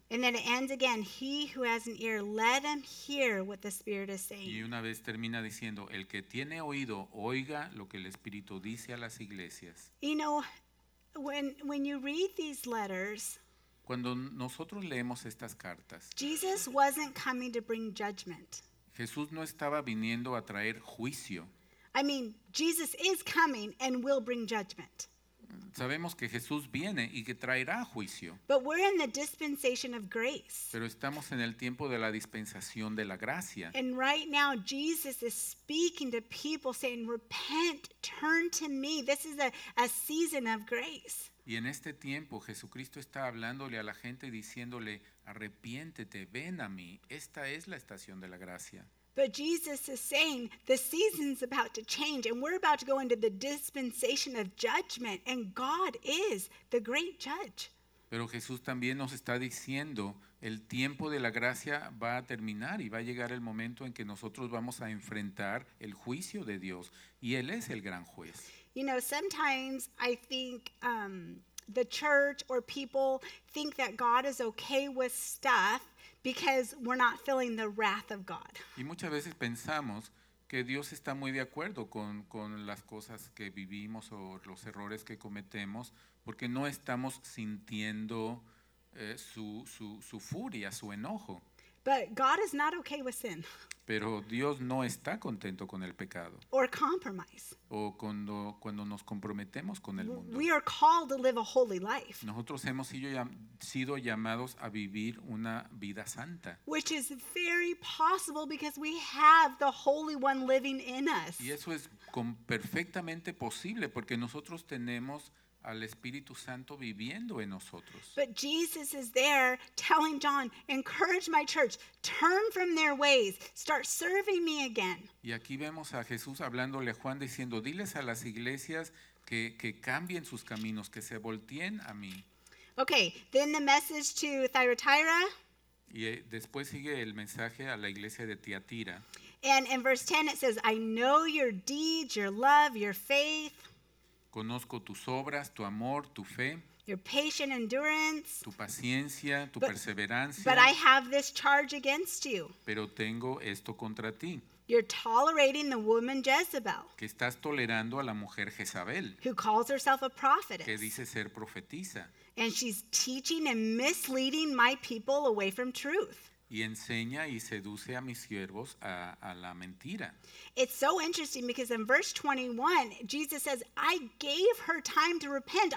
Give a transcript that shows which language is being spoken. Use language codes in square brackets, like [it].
[en] And then it ends again, he who has an ear, let him hear what the Spirit is saying. [es] Y una vez termina diciendo, el que tiene oído, oiga lo que el Espíritu dice a las iglesias. [en] You know, when you read these letters, [es] cuando nosotros leemos estas cartas, [en] Jesus wasn't coming to bring judgment. [es] Jesús no estaba viniendo a traer juicio. [en] I mean, Jesus is coming and will bring judgment. [es] Sabemos que Jesús viene y que traerá juicio. [en] But we're in the dispensation of grace. [es] Pero estamos en el tiempo de la dispensación de la gracia. [en] And right now Jesus is speaking to people saying, repent, turn to me. This is a season of grace. [es] Y en este tiempo Jesucristo está hablándole a la gente y diciéndole, arrepiéntete, ven a mí. Esta es la estación de la gracia. [en] But Jesus is saying the season's about to change and we're about to go into the dispensation of judgment and God is the great judge. [es] Pero Jesús también nos está diciendo el tiempo de la gracia va a terminar y va a llegar el momento en que nosotros vamos a enfrentar el juicio de Dios y Él es el gran juez. [en] You know, sometimes I think the church or people think that God is okay with stuff because we're not feeling the wrath of God. [es] Y muchas veces pensamos que Dios está muy de acuerdo con las cosas que vivimos o los errores que cometemos porque no estamos sintiendo su furia, su enojo. [en] But God is not okay with sin. [es] Pero Dios no está contento con el pecado. [en] Or compromise. [es] O cuando nos comprometemos con el mundo. [en] We are called to live a holy life. [es] Nosotros hemos sido llamados a vivir una vida santa. [en] Which is very possible because we have the Holy One living in us. [es] Y eso es perfectamente posible porque nosotros tenemos al Espíritu Santo viviendo en nosotros. [en] But Jesus is there telling John, encourage my church, turn from their ways, start serving me again. [es] Y aquí vemos a Jesús hablándole a Juan diciendo, diles a las iglesias que cambien sus caminos, que se volteen a mí. [en] Okay, then the message to Thyatira. [es] Y después sigue el mensaje a la iglesia de Tiatira. [en] And in verse 10 it says, I know your deeds, your love, your faith. [es] Conozco tus obras, tu amor, tu fe. [en] Your patient endurance. [es] Tu paciencia, tu perseverancia. [en] But I have this charge against you. [es] Pero tengo esto contra ti. [en] You're tolerating the woman Jezebel. [es] Que estás tolerando a la mujer Jezabel. [en] Who calls herself a prophetess. [es] Que dice ser profetisa. [en] And she's teaching and misleading my people away from truth. [es] Y enseña y seduce a mis siervos a la mentira. [en] It's so interesting because in verse 21, Jesus says, I gave her time to repent.